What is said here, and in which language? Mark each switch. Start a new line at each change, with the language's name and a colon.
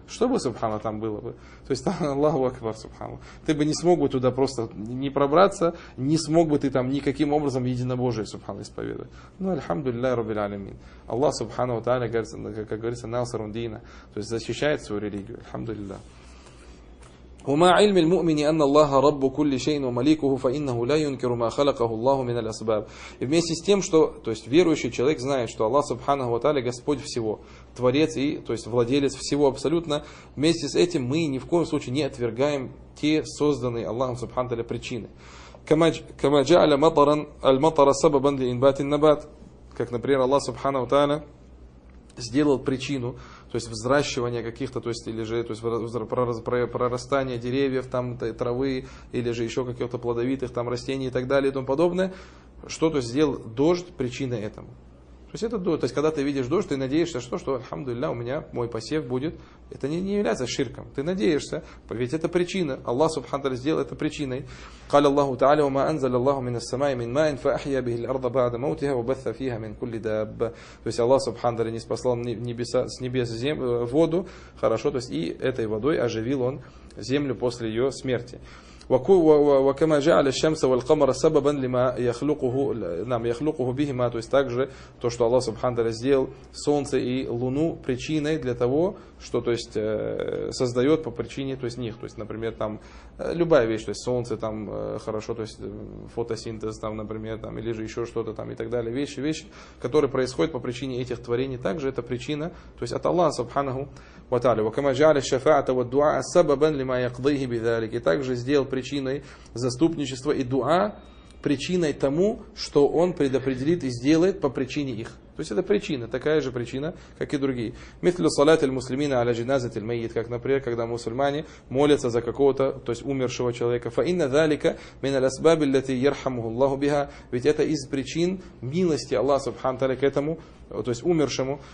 Russian: Что бы, субхана, там было бы? То есть там Аллаху Акбар, субхана. Ты бы не смог бы туда просто не пробраться, не смог бы ты там никаким образом единобожие, субхана, исповедовать. Ну, альхамдулилля раббиль алямин. Аллах, субхана ва тааля, как говорится, насрун дина, то есть защищает свою религию. Альхамдулилля.
Arabic: وما علم المؤمن أن الله رب كل شيء ومليكه فإنه لا ينكر ما خلقه الله من الأسباب.
Russian: И вместе с тем, что, то есть верующий человек знает, что Аллах Субханаху ва Тааля Господь всего, Творец и, то есть владелец всего абсолютно. Вместе с этим мы ни в коем случае не отвергаем те созданные Аллахом Субханаху ва Тааля причины.
Arabic: كما جعل مطرا المطر سببا لإنبات النبات.
Russian: Как, например, Аллах Субханаху ва Тааля сделал причину, то есть взращивание каких-то, то есть или же то есть прорастание деревьев, там травы, или же еще каких-то плодовитых там растений и так далее и тому подобное, что-то сделал дождь причиной этому. То есть это дождь, то есть когда ты видишь дождь, ты надеешься, что альхамдулилля, у меня мой посев будет. Это не является ширком. Ты надеешься, ведь это причина. Аллах субхана тааля сделал это причиной.
Arabic: قال الله تعالى وما أنزل الله من السماء من ماء فأحيا به الأرض بعد موتها وبث فيها من كل دابة.
Russian: То есть Аллах субхана тааля ниспослал с небес воду, хорошо, то есть и этой водой оживил он землю после ее смерти.
Arabic: وكما جعل الشمس والقمر سببا لما يخلقه نعم يخلقه بهما.
Russian: То есть также то, что Аллах субхана тааля сделал солнце и луну причиной для того, что то есть создает по причине то есть них, то есть например там любая вещь, то есть солнце там хорошо, то есть фотосинтез там например там или же еще что-то там и так далее, вещи которые происходят по причине этих творений, также это причина то есть от Аллаха субханаху ва тааля.
Arabic: وكما جعل الشفاعة والدعاء سببا لما يقضيه بذلك.
Russian: И также сделал причиной заступничества и дуа, причиной тому, что он предопределит и сделает по причине их. То есть это причина, такая же причина, как и другие.
Arabic: مثل صلاة المسلمين على جنازة الميت,
Russian: как, например, когда мусульмане молятся за какого-то, то есть умершего человека.
Arabic: فإن ذلك من الأسباب التي يرحمه الله بها.
Russian: Ведь это из причин милости Аллаха Субхана тааля к этому, то есть умершему.